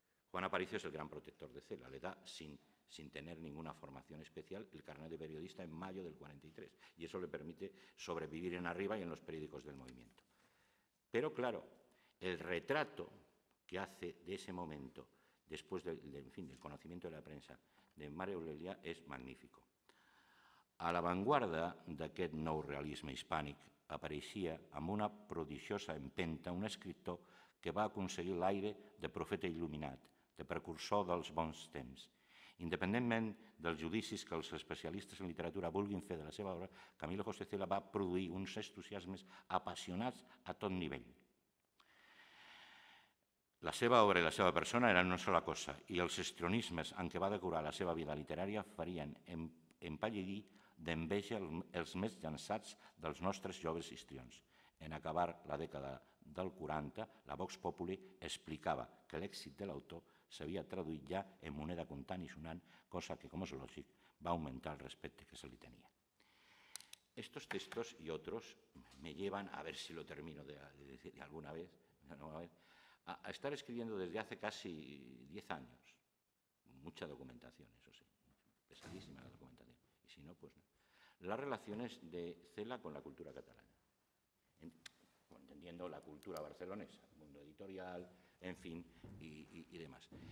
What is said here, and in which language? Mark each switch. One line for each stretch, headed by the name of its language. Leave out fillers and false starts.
Spanish: Juan Aparicio es el gran protector de Cela, le da, sin tener ninguna formación especial, el carnet de periodista en mayo del 43, y eso le permite sobrevivir en Arriba y en los periódicos del movimiento. Pero, claro, el retrato que hace de ese momento, después del conocimiento de la prensa, de Mario Aurelia, es magnífico.
Catalan: A la vanguarda d'aquest nou realisme hispànic apareixia amb una prodigiosa empenta un escriptor que va aconseguir l'aire de profeta il·luminat, de precursor dels bons temps. Independentment dels judicis que els especialistes en literatura vulguin fer de la seva obra, Camilo José Cela va produir uns entusiasmes apassionats a tot nivell. La seva obra i la seva persona eren una sola cosa, i els estronismes en què va decorar la seva vida literària farien empallidir d'enveja els més llançats dels nostres joves histrions. En acabar la dècada del 40, la Vox Populi explicava que l'èxit de l'autor s'havia traduït ja en moneda comptant i sonant, cosa que, com és lògic, va augmentar el respecte que se li tenia.
Spanish: Estos textos y otros me llevan, a ver si lo termino de alguna vez, a estar escribiendo desde hace casi 10 años. Mucha documentación, eso sí, pesadísima la documentación. Y si no, pues no. Las relaciones de Cela con la cultura catalana. Entendiendo la cultura barcelonesa, mundo editorial, en fin, y demás.